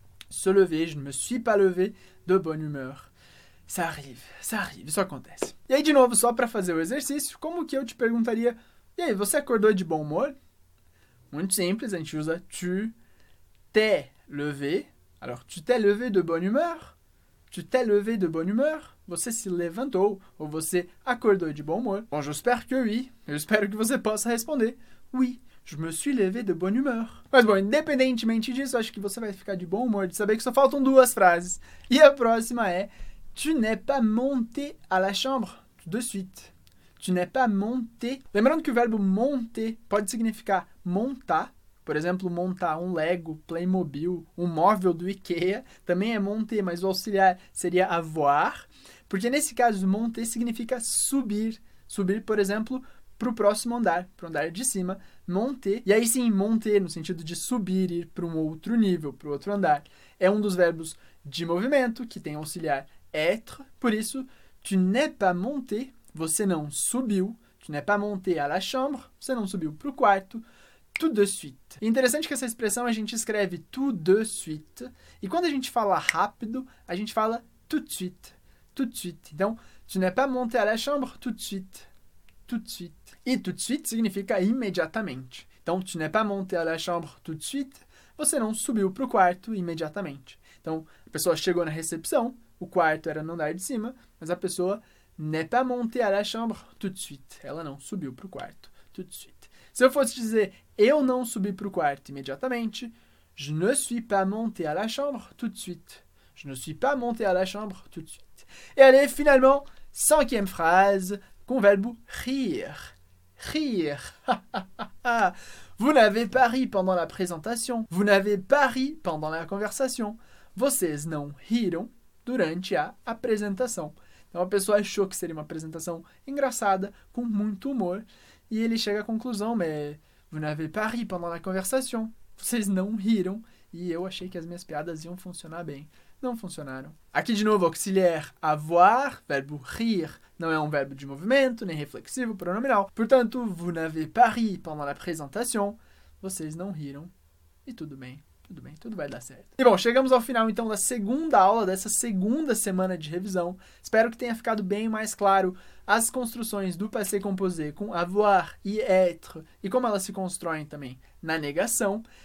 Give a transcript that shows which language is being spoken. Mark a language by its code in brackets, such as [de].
[fr] Se lever, je ne me suis pas levé, de bonne humeur. Ça arrive, [pt] isso acontece. E aí, de novo, só para fazer o exercício, como que eu te perguntaria: e aí, você acordou de bom humor? Muito simples, a gente usa [fr] tu t'es levé. Alors, tu t'es levé de bonne humeur? Tu t'es levé de bonne humeur? [pt] Você se levantou ou você acordou de bom humor? [fr] Bom, j'espère que oui. [pt] Eu espero que você possa responder. [fr] Oui, je me suis levé de bonne humeur. [pt] Mas, bom, independentemente disso, acho que você vai ficar de bom humor de saber que só faltam duas frases. E a próxima é: [fr] tu n'es pas monté à la chambre de suite. Tu n'es pas monté. [pt] Lembrando que o verbo monter pode significar montar, por exemplo, montar um Lego, Playmobil, um móvel do IKEA, também é monter, mas o auxiliar seria avoir, porque nesse caso, monter significa subir. Subir, por exemplo, para o próximo andar, para o andar de cima, monter. E aí sim, monter, no sentido de subir, ir para um outro nível, para o outro andar. É um dos verbos de movimento, que tem auxiliar être, por isso, tu n'es pas monté, você não subiu. [fr] Tu n'es pas monté à la chambre, [pt] você não subiu para o quarto. [fr] Tout de suite. [pt] Interessante que essa expressão a gente escreve tout de suite. E quando a gente fala rápido, a gente fala tout de suite. [fr] Tout de suite. [pt] Então, [fr] tu n'es pas monté à la chambre tout de suite. Tout de suite. [pt] E [fr] tout de suite [pt] significa imediatamente. Então, [fr] tu n'es pas monté à la chambre tout de suite. [pt] Você não subiu para o quarto imediatamente. Então, a pessoa chegou na recepção, o quarto era no andar de cima, mas a pessoa [fr] n'est pas montée à la chambre tout de suite. [pt] Ela não subiu para o quarto tout de suite. Se eu fosse dizer eu não subi para o quarto imediatamente, [fr] je ne suis pas monté à la chambre tout de suite. Je ne suis pas monté à la chambre tout de suite. Et allez, finalement, cinquième phrase, [pt] com o verbo rire. [fr] Rire. Vous n'avez pas ri pendant la présentation. Vous n'avez pas ri pendant la conversation. [pt] Vocês não riram durante a apresentação. Então, a pessoa achou que seria uma apresentação engraçada, com muito humor, e ele chega à conclusão, [fr] mais vous n'avez pas ri pendant la conversation. [pt] Vocês não riram. E eu achei que as minhas piadas iam funcionar bem. Não funcionaram. Aqui de novo, auxiliar avoir, verbo rire, não é um verbo de movimento, nem reflexivo, pronominal. Portanto, [fr] vous n'avez pas ri pendant la présentation. [pt] Vocês não riram. E tudo bem. Tudo bem, tudo vai dar certo. E bom, chegamos ao final então da segunda aula, dessa segunda semana de revisão. Espero que tenha ficado bem mais claro as construções do passé composé com avoir e être e como elas se constroem também na negação.